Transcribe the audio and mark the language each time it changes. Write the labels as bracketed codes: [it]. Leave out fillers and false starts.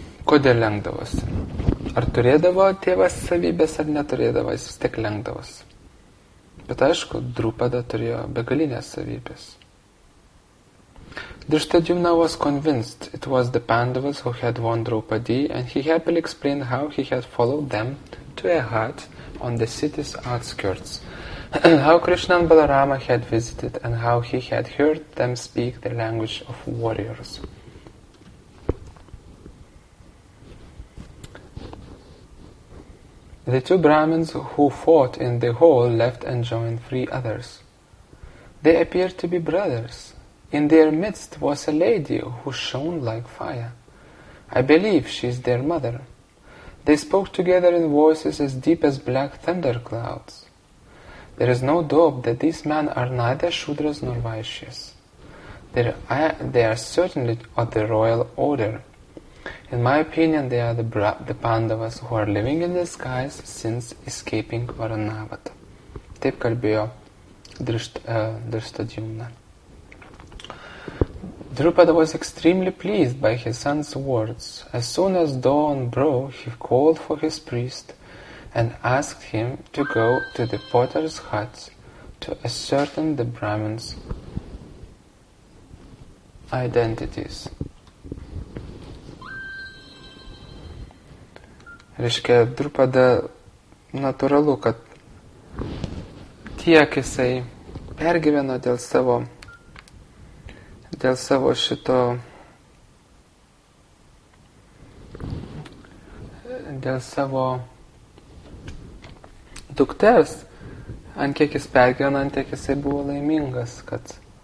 [lt] Kodėl lenkdavosi? Ar turėdavo tėvas savybės, ar neturėdavo, jis vis tiek lenkdavosi. Bet aišku, Draupada turėjo begalinės savybės. [en] Drishtadyumna was convinced it was the Pandavas who had won Draupadi, and he happily explained how he had followed them to a hut on the city's outskirts, how Krishna and Balarama had visited, and how he had heard them speak the language of warriors. The two Brahmins who fought in the hall left and joined three others. They appeared to be brothers. In their midst was a lady who shone like fire. I believe she is their mother. They spoke together in voices as deep as black thunder clouds. There is no doubt that these men are neither Shudras nor Vaishyas. They are certainly of the royal order. In my opinion, they are the Pandavas who are living in the skies since escaping Varanavat. [lt] Taip kalbėjo Drishtadyumna. [en] Draupada was extremely pleased by his son's words. As soon as dawn broke, he called for his priest and asked him to go to the potter's hut to ascertain the Brahmin's identities. [lt] Reiškia, Draupada natūralu, kad tiek jisai pergyveno dėl savo šito, dėl savo dukters, ant kiek jis pergyveno, ant kiek jisai buvo laimingas, kad